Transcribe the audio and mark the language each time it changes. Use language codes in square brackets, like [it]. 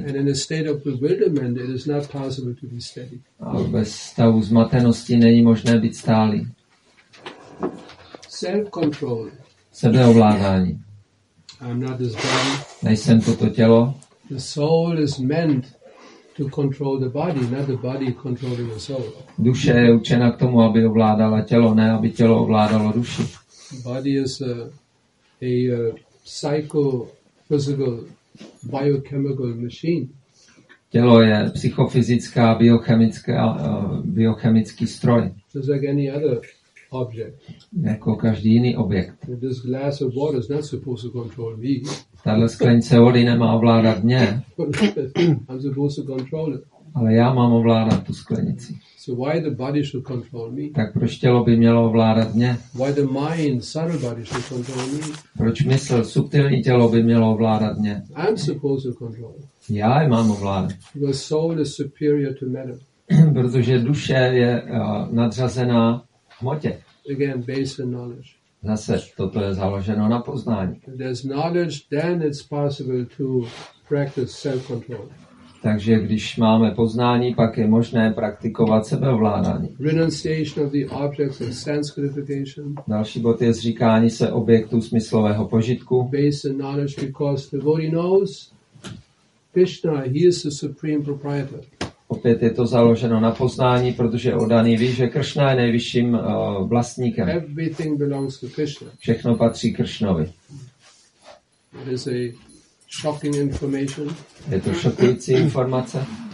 [en] And in a state of bewilderment, it is not possible to be steady. [cs] A bez stavu zmatenosti není možné být stálý. [en] Self-control. [cs] Sebeovládání. [en] I'm not this body. [cs] Nejsem toto tělo. [en] The soul is meant to control the body, not the body controlling the soul. [cs] Duše je učena k tomu, aby ovládala tělo, ne aby tělo ovládalo duši. [en] Body is a psychophysical biochemical machine. [cs] Tělo je psychofyzická biochemický stroj. [en] Just like any other object. [cs] Jako každý jiný objekt. [en] This glass of water is not supposed to control me. [cs] Tato sklenice vody nemá ovládat mě. [en] I'm supposed to control it. [cs] Ale já mám ovládat tu sklenici. [en] So why the body should control me? [cs] Tak proč tělo by mělo ovládat mě? [en] Why the mind, subtle body should control me? [cs] Proč mysl, subtilní tělo by mělo ovládat mě? [en] I'm supposed to control. [cs] Já je mám ovládat. [en] The soul is superior to matter. [cs] Protože duše je nadřazená hmotě. [en] Again, based on knowledge. [cs] Zase toto je založeno na poznání. [en] If there's knowledge, then it's possible to practice self-control. [cs] Takže když máme poznání, pak je možné praktikovat sebeovládání. [en] Renunciation of the objects of sense gratification. [cs] Další bod je zříkání se objektů smyslového požitku. [en] Based on knowledge, because the devotee knows Krishna, he is the supreme proprietor. [cs] Opět je to založeno na poznání, protože oddaný ví, že Krishna je nejvyšším vlastníkem. [en] Everything belongs to Krishna. [cs] Všechno patří Krishnovi. [en] It is a shocking information. [cs] Je to šokující informace.